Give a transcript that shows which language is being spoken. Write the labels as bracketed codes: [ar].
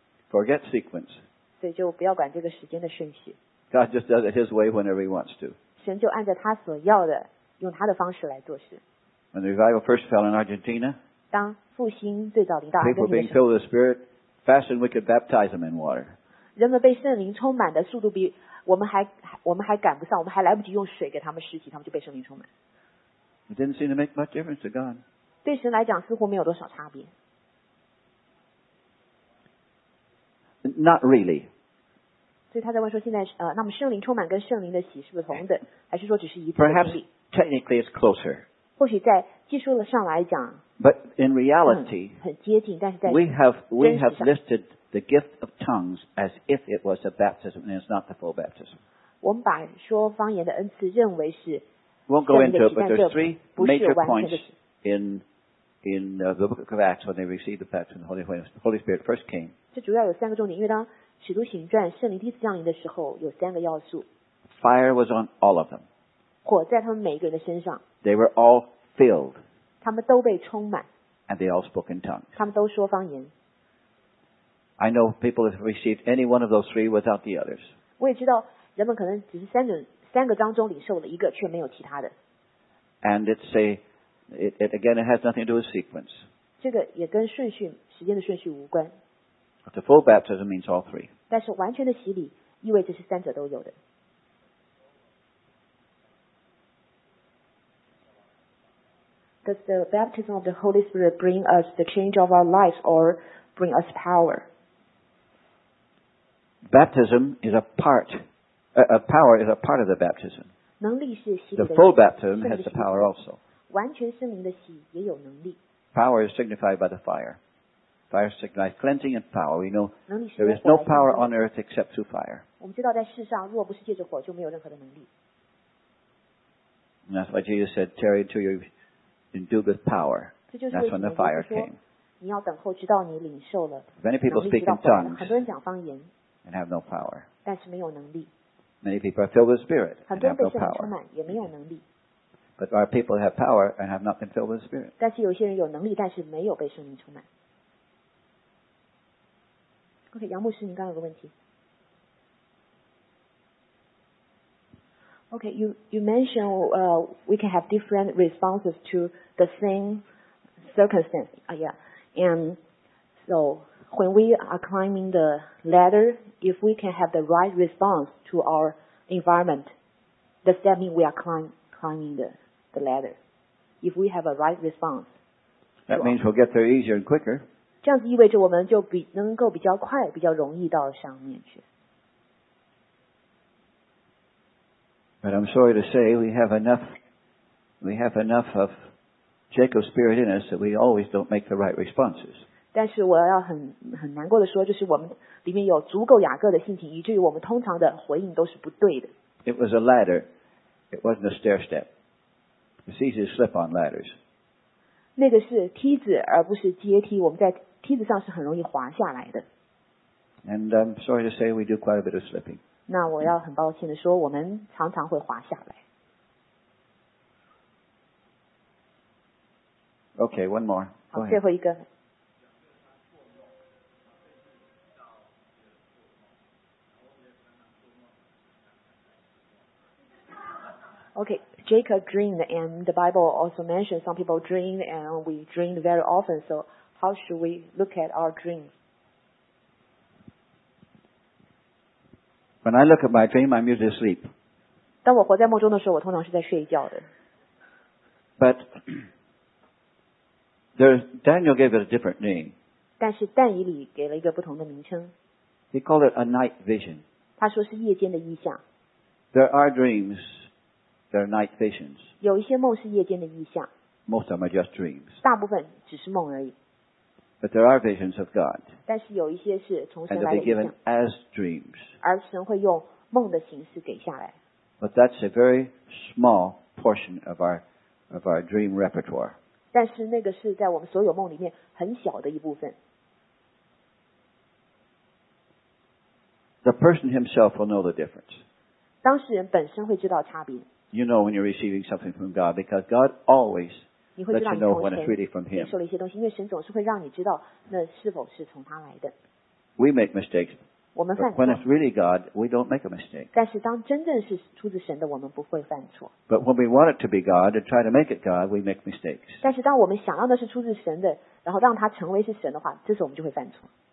[en] Forget sequence. [zh] 所以就不要管这个时间的顺序。 [en] God just does it His way whenever He wants to. [zh] 神就按照他所要的，用他的方式来做事。 [en] When the revival first fell in Argentina, [zh] 当复兴最早临到阿根廷的时候 [en] people being filled with the Spirit faster than we could baptize them in water. [zh] 人们被圣灵充满的速度比我们还赶不上，我们还来不及用水给他们施洗，他们就被圣灵充满。 [en] It didn't seem to make much difference to God. [zh] 对神来讲似乎没有多少差别。 [en] Not really. [zh] 所以他在问说现在那么圣灵充满跟圣灵的洗是不是同等，还是说只是一次的经历？ [en] Perhaps technically it's closer. [zh] 或许在技术上来讲 [en] But in reality, [zh] 很接近，但是在 [en] we have listed the gift of tongues as if it was a baptism and it's not the full baptism. [zh] 我们把说方言的恩赐认为是 [en] won't go into it, but there's three major points in the book of Acts when they received the baptism of the Holy Spirit first came. [zh] 这主要有三个重点，因为当《使徒行传》圣灵第一次降临的时候，有三个要素。 [en] Fire was on all of them. [zh] 火在他们每一个人的身上。 [en] They were all filled. [zh] 他们都被充满。 [en] And they all spoke in tongues. [zh] 他们都说方言。 [en] I know people have received any one of those three without the others. [zh] 我也知道人们可能只是三个当中领受了一个，却没有其他的。 [en] And it's a it again it has nothing to do with sequence. [zh] 这个也跟顺序时间的顺序无关。 [en] But the full baptism means all three. [zh] 但是完全的洗礼意味着是三者都有的。 [en] Does the baptism of the Holy Spirit bring us the change of our lives or bring us power? Baptism is a part, power is a part of the baptism. [zh] 能力是洗礼的。 [en] The full baptism has the power also. [zh] 完全圣灵的洗也有能力。 [en] Power is signified by the fire. Fire signifies cleansing and power. We know there is no power on earth except through fire. [zh] 我们知道在世上，若不是借着火，就没有任何的能力。 [en] That's why Jesus said, "Tarry until you're endued with power." That's when the fire came. [zh] 你要等候，直到你领受了。 [en] Many people speak in tongues. [zh] 很多人讲方言。 [en] And have no power. [zh] 但是没有能力。 [en] Many people are filled with spirit and have no power. [zh] 很多人被圣灵充满，也没有能力。 [en] But there are people who have power and have not been filled with spirit. [zh] 但是有些人有能力，但是没有被圣灵充满。 OK, 杨牧师，您刚刚有个问题。 [en] OK, you mentioned we can have different responses to the same circumstance. And so when we are climbing the ladder, if we can have the right response to our environment, does that mean we are climbing the ladder? If we have a right response, that means we'll get there easier and quicker. [zh] 这样子意味着我们就比能够比较快、比较容易到上面去。 [en] But I'm sorry to say we have enough of Jacob's spirit in us that we always don't make the right responses. [zh] 但是我要很难过的说，就是我们里面有足够雅各的性情，以至于我们通常的回应都是不对的。 [en] It was a ladder. It wasn't a stair step. It's easy to slip on ladders. [zh] 那个是梯子，而不是阶梯。我们在梯子上是很容易滑下来的。 [en] And I'm sorry to say we do quite a bit of slipping. [zh] 那我要很抱歉的说，我们常常会滑下来。 [en] Okay, one more. [zh] 好，最后一个。 [en] Okay, Jacob dreamed, and the Bible also mentioned some people dream, and we dream very often, so. How should we look at our dreams? When I look at my dream, I'm usually asleep. [zh] 当我活在梦中的时候，我通常是在睡觉的。 [en] But Daniel gave it a different name. [zh] 但是但以理给了一个不同的名称。 [en] He called it a night vision. [zh] 他说是夜间的异象。 [en] There are dreams. There are night visions. [zh] 有一些梦是夜间的异象。 [en] Most of them are just dreams. [zh] 大部分只是梦而已。 [en] But there are visions of God. [zh] 但是有一些是从神来的。 [en] And they're given as dreams. [zh] 而神会用梦的形式给下来。 [en] But that's a very small portion of our dream repertoire. [zh] 但是那个是在我们所有梦里面很小的一部分。 [en] The person himself will know the difference. [zh] 当事人本身会知道差别。 [en] You know when you're receiving something from God because God always. Let you know when it's really from him. [zh] 你受了一些东西，因为神总是会让你知道那是否是从他来的。 [en] We make mistakes when it's really God, we don't make a mistake. [zh] 但是当真正是出自神的，我们不会犯错。 [en] But when we want it to be God and try to make it God, we make mistakes. [zh] 但是当我们想要的是出自神的，然后让它成为是神的话，这时候我们就会犯错。